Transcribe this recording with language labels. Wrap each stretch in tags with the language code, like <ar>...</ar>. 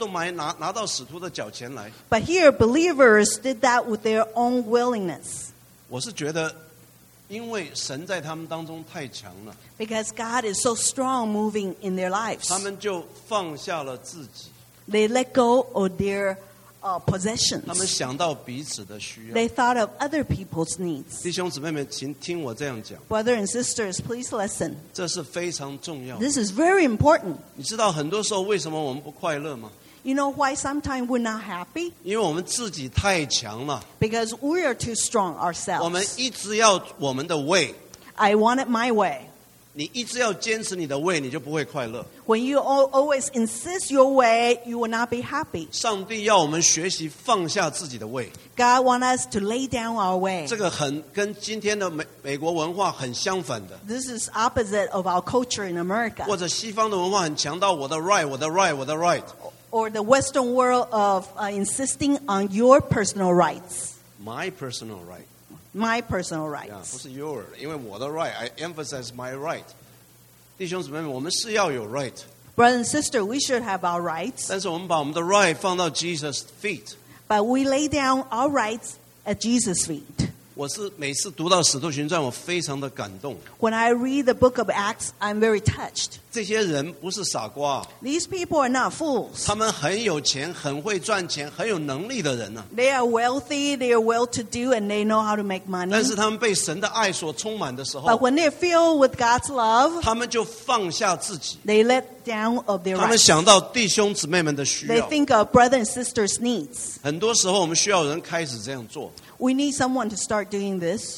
<zh>但这边讲到信的人，他们自愿自发的把所有东西都分享在一起，把所有财物都拿到使徒的脚前来。</zh> <en>But here, believers did that with their own willingness.</en> <zh>我是觉得，因为神在他们当中太强了。</zh> <en>Because God is so strong moving in their lives.</en> <zh>他们就放下了自己。</zh> <en>They let go of their possessions.</en> <zh>他们想到彼此的需要。</zh> <en>They thought of other people's needs.</en> <zh>弟兄姊妹们，请听我这样讲。</zh> <en>Brothers and sisters, please listen.</en> <zh>这是非常重要的。</zh> <en>This is very important.</en> <zh>你知道很多时候为什么我们不快乐吗？</zh> <en>You know why sometimes we're not happy?</en> <zh>因为我们自己太强了。</zh> <en>Because we are too strong ourselves.</en> <zh>我们一直要我们的way。</zh> <en>I want it my way.</en> <zh>你一直要坚持你的way，你就不会快乐。</zh> <en>When you always insist your way, you will not be happy.</en> <zh>上帝要我们学习放下自己的way。</zh> <en>God wants us to lay down our way.</en> <zh>这个跟今天的美国文化很相反的。</zh> <en>This is opposite of our culture in America.</en> <zh>或者西方的文化很强调我的right。</zh> <en>Or the Western world of insisting on your personal rights. My personal right. My personal rights.</en> <zh>Yeah, 不是your，因为我的right，</zh> <en>I emphasize my right.</en> <zh>弟兄姊妹们，我们是要有right。</zh> <en>Brother and sister, we should have our rights.</en> <zh>但是我们把我们的 right 放到</zh> <en>Jesus' feet. But we lay down our rights at Jesus' feet.</en> <zh>我是每次读到《使徒行传》，我非常的感动。</zh> <en>When I read the book of Acts, I'm very touched.</en> <zh>这些人不是傻瓜。</zh> <en>These people are not fools.</en> <zh>他们很有钱，很会赚钱，很有能力的人呢。</zh> <en>They are wealthy, they are well-to-do, and they know how to make money.</en> <zh>但是他们被神的爱所充满的时候。</zh> <en>But when they're filled with God's love,</en> <zh>他们就放下自己。</zh> <en>They let down of their rights.</en> <zh>他们想到弟兄姊妹们的需要。</zh> <en>They think of brothers and sisters' needs.</en> <zh>很多时候我们需要人开始这样做。</zh> <en>We need someone to start doing this.</en>